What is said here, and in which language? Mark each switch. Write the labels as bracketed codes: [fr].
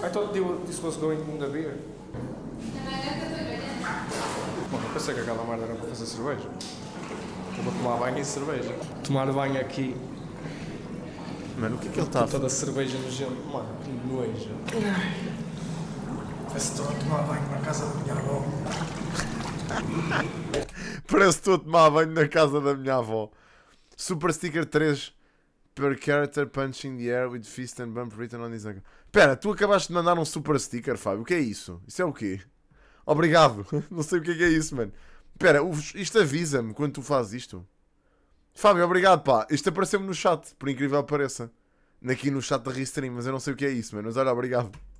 [en] I thought this was going in the beer. [pt] Bom, eu pensei que aquela merda era para fazer cerveja. Eu vou tomar banho e cerveja. Tomar banho aqui. Mano, o que é que ele está a fazer? Toda a cerveja no gelo. Mano, que nojo. Parece que estou a tomar banho na casa da minha avó. Parece que estou a tomar banho na casa da minha avó. [en] Super Sticker 3 per character punching the air with fist and bump written on his ankle. [pt] Pera, tu acabaste de mandar um super sticker, Fábio. O que é isso? Isso é o quê? Obrigado. Não sei o que é isso, mano. Pera, isto avisa-me quando tu fazes isto. Fábio, obrigado, pá. Isto apareceu-me no chat, por incrível que pareça. Aqui no chat da Restream, mas eu não sei o que é isso, mano. Mas olha, obrigado.